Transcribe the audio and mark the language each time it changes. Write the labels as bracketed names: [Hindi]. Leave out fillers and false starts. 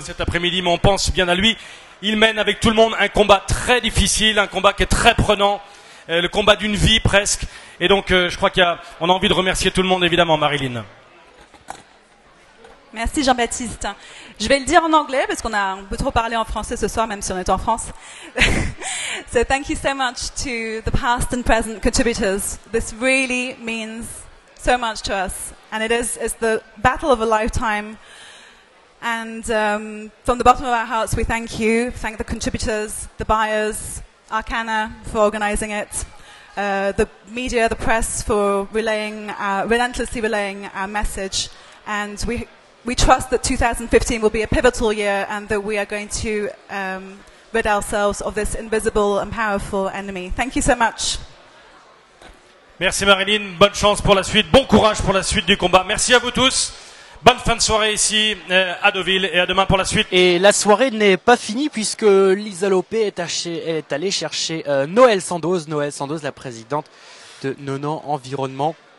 [French] Cet après-midi, mais on pense bien à lui. Il mène avec tout le monde un combat très difficile, un combat qui est très prenant, le combat d'une vie presque. Et donc, je crois qu'on a envie de remercier tout le monde, évidemment, Marilyn. Merci Jean-Baptiste. Je vais le dire en anglais parce qu'on a beaucoup trop parlé en français ce soir, même si on est en France. [English] So thank you so much to the past and present contributors. This really means so much to us, and it is it's the battle of a lifetime. And from the bottom of our hearts, we thank you, thank the contributors, the buyers, Arcana for organizing it, the media, the press for relentlessly relaying our message, and we trust that 2015 will be a pivotal year and that we are going to rid ourselves of this invisible and powerful enemy. Thank you so much. [French] Merci Marilyn, bonne chance pour la suite, bon courage pour la suite du combat. Merci à vous tous. Bonne fin de soirée ici à Deauville et à demain pour la suite. Et la soirée n'est pas finie puisque Lisa Lopé est allée chercher Noël Sandoz. Noël Sandoz, la présidente de Nonan Environnement.